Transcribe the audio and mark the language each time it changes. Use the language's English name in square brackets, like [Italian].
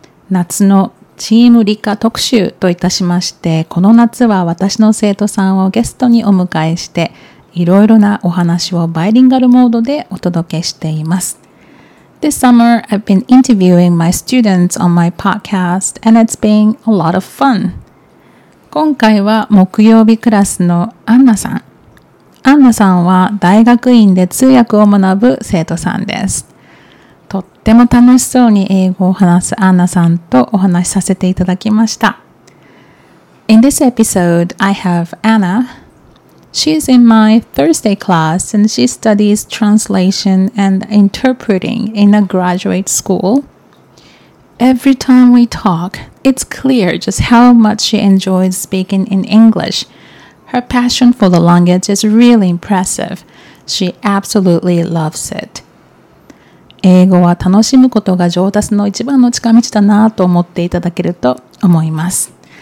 [Japanese] 夏のチームリカ特集といたしまして、この夏は私の生徒さんをゲストにお迎えして、いろいろなお話をバイリンガルモードでお届けしています。 [English] This summer, I've been interviewing my students on my podcast, and it's been a lot of fun. [Japanese] 今回は木曜日クラスのアンナさん。アンナさんは大学院で通訳を学ぶ生徒さんです。とっても楽しそうに英語を話すアンナさんとお話しさせていただきました。 [English] In this episode, I have Anna. She's in my Thursday class and she studies translation and interpreting in a graduate school. Every time we talk, it's clear just how much she enjoys speaking in English. Her passion for the language is really impressive. She absolutely loves it. [Japanese] 英語は楽しむことが上達の一番の近道だなと思っていただけると思います。